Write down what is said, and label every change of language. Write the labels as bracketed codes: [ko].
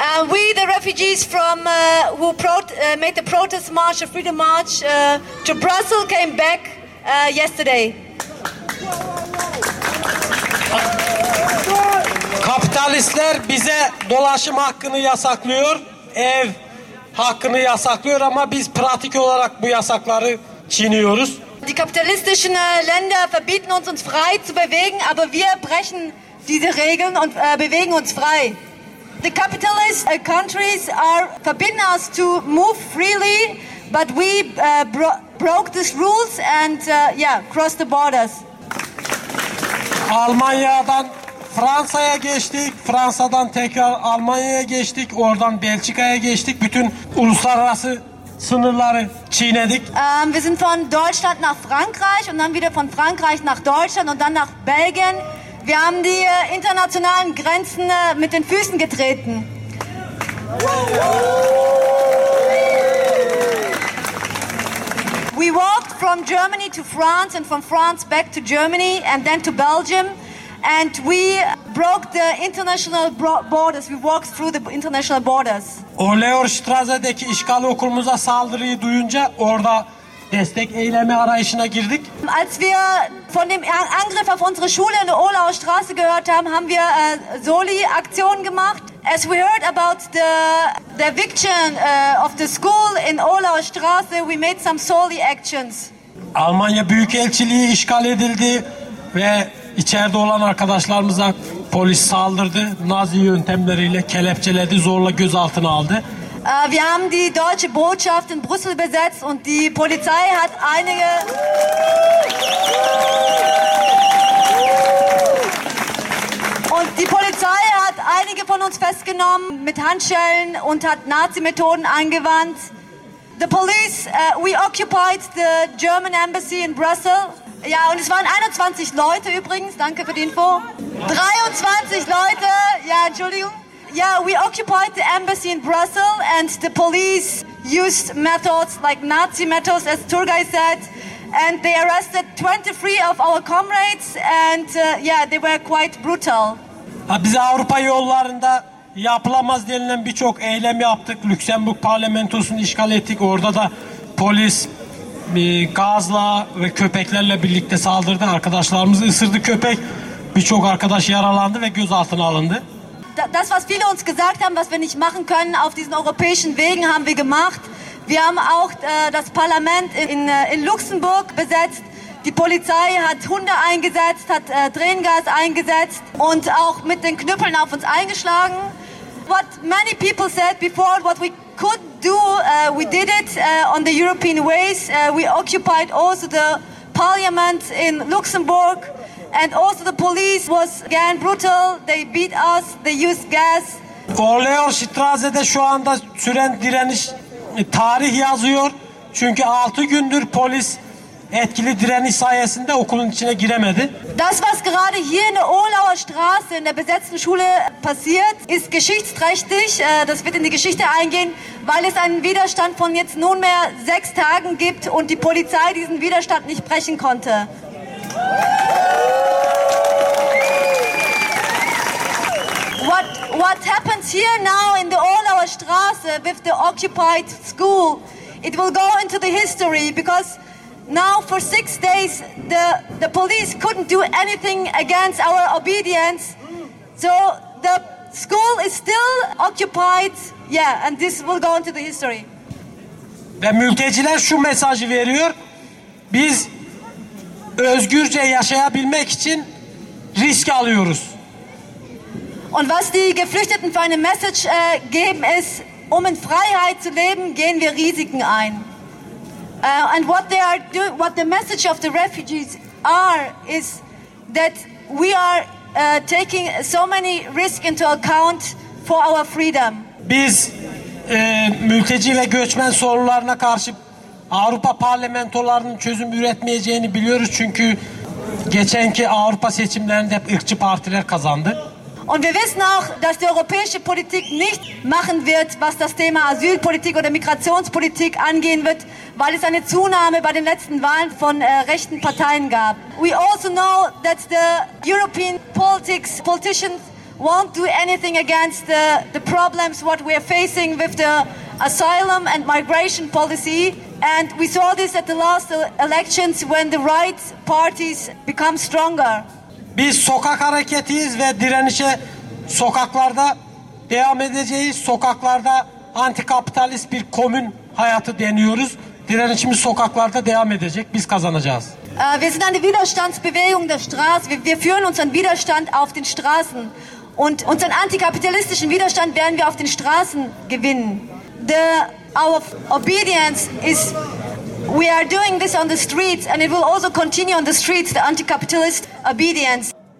[en] We, the refugees from who made the protest march, the freedom march to Brussels, came back yesterday. [tr] Kapitalistler bize dolaşım hakkını yasaklıyor, ev hakkını yasaklıyor ama biz pratik olarak bu yasakları çiğniyoruz. [de] Die kapitalistischen Länder verbieten uns, uns frei zu bewegen, aber wir brechen diese Regeln und bewegen uns frei. [en] The capitalist countries are forbidden us to move freely, but we broke these rules and crossed the borders. [tr] Almanya'dan Fransa'ya geçtik, Fransa'dan tekrar Almanya'ya geçtik, oradan Belçika'ya geçtik. Bütün uluslararası sınırları çiğnedik. [de] Wir sind von Deutschland nach Frankreich und dann wieder von Frankreich nach Deutschland und dann nach Belgien. Wir haben die internationalen Grenzen mit den Füßen getreten. [en] We walked from Germany to France and from France back to Germany and then to Belgium. And we broke the international borders. We walked through the international borders. [tr] Ulauer Straße'deki işgal okulumuza saldırıyı duyunca orada destek eyleme arayışına girdik. [de] Als wir von dem Angriff auf unsere Schule in der Olaustraße gehört haben, haben wir Soli-Aktion gemacht. [en] As we heard about the eviction of the school in Olaustraße, we made some Soli actions. [tr] Almanya Büyükelçiliği işgal edildi ve içeride olan arkadaşlarımıza polis saldırdı. Nazi yöntemleriyle kelepçeledi, zorla gözaltına aldı. [de] Wir haben die deutsche Botschaft in Brüssel besetzt und die Polizei hat einige... Und die Polizei hat einige von uns festgenommen mit Handschellen und hat Nazi-Methoden angewandt. [en] The police, we occupied the German embassy in Brussels. [de] Ja, und es waren 21 Leute übrigens, danke für die Info. 23 Leute, ja, Entschuldigung. [en] Yeah, we occupied the embassy in Brussels and the police used methods like Nazi methods, as Turgay said, and they arrested 23 of our comrades and yeah, they were quite brutal. [tr] Bize Avrupa yollarında yapılamaz denilen birçok eylem yaptık. Lüksemburg parlamentosunu işgal ettik. Orada da polis gazla ve köpeklerle birlikte saldırdı. Arkadaşlarımızı ısırdı köpek. Birçok arkadaş yaralandı ve gözaltına alındı. [de] Das, was viele uns gesagt haben, was wir nicht machen können auf diesen europäischen Wegen, haben wir gemacht. Wir haben auch das Parlament in Luxemburg besetzt. Die Polizei hat Hunde eingesetzt, hat Tränengas eingesetzt und auch mit den Knüppeln auf uns eingeschlagen. [en] What many people said before, what we could do, we did it on the European ways. We occupied also the Parliament in Luxemburg. And also the police was again brutal. They beat us. They used gas. [tr] Olaustraße'de şu anda süren direniş tarih yazıyor. Çünkü 6 gündür polis etkili direniş sayesinde okulun içine giremedi. [de] Das, was gerade hier in der Olaustraße in der besetzten Schule passiert, ist geschichtsträchtig. Das wird in die Geschichte eingehen, weil es einen Widerstand von jetzt nunmehr 6 Tagen gibt und die Polizei diesen Widerstand nicht brechen konnte. [en] What happens here now in the Olaustraße with the occupied school? It will go into the history because now for 6 days the police couldn't do anything against our obedience. So the school is still occupied. Yeah, and this will go into the history. [tr] Ve mülteciler şu mesajı veriyor. Biz özgürce yaşayabilmek için risk alıyoruz. [de] Und was die Geflüchteten für eine Message geben ist, um in Freiheit zu leben, gehen wir Risiken ein. [en] And what they are doing, what the message of the refugees are, is that we are taking so many risks into account for our freedom. [tr] Biz mülteci ve göçmen sorunlarına karşı Avrupa parlamentolarının çözüm üretmeyeceğini biliyoruz çünkü geçenki Avrupa seçimlerinde hep ırkçı partiler kazandı. [de] Und wir wissen auch, dass die europäische Politik nicht machen wird, was das Thema Asylpolitik oder Migrationspolitik angehen wird, weil es eine Zunahme bei den letzten Wahlen von rechten Parteien gab. [en] We also know that the European politicians won't do anything against the problems what we are facing with the asylum and migration policy. And we saw this at the last elections when the right parties become stronger. [tr] Biz sokak hareketiyiz ve direnişe sokaklarda devam edeceğiz. Sokaklarda antikapitalist bir komün hayatı deniyoruz. Direnişimiz sokaklarda devam edecek. Biz kazanacağız. [de] Wir sind eine Widerstandsbewegung der Straße. Wir führen unseren Widerstand auf den Straßen. Und unseren antikapitalistischen Widerstand werden wir auf den Straßen gewinnen. [en] Our obedience is... We are doing this on the streets and it will also continue on the streets, the anti-capitalist obedience.